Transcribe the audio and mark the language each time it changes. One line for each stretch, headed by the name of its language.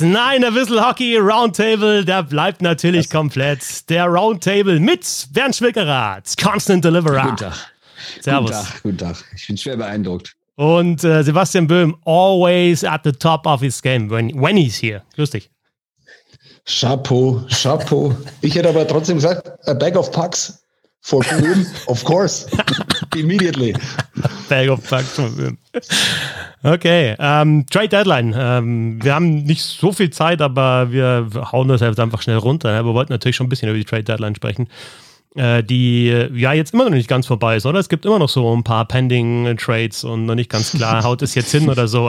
German: Nein, der Whistle Hockey Roundtable, der bleibt natürlich komplett. Der Roundtable mit Bernd Schwickerath,
English: Constant Deliverer.
German: Guten Tag. Servus. Guten Tag. Ich bin schwer beeindruckt.
English: Und Sebastian Böhm, always at the top of his game, when he's here.
German: Grüß dich. Chapeau. Ich hätte aber trotzdem gesagt,
English: a bag of pucks. For Böhm, of course, immediately. Bag of Pucks for Böhm. Okay, Trade Deadline.
German: Wir haben nicht so viel Zeit, aber wir hauen das jetzt einfach schnell runter. Wir wollten natürlich schon ein bisschen über die Trade Deadline sprechen, die ja jetzt immer noch nicht ganz vorbei ist, oder? Es gibt immer noch so ein paar Pending Trades und noch nicht ganz klar, haut es jetzt hin oder so.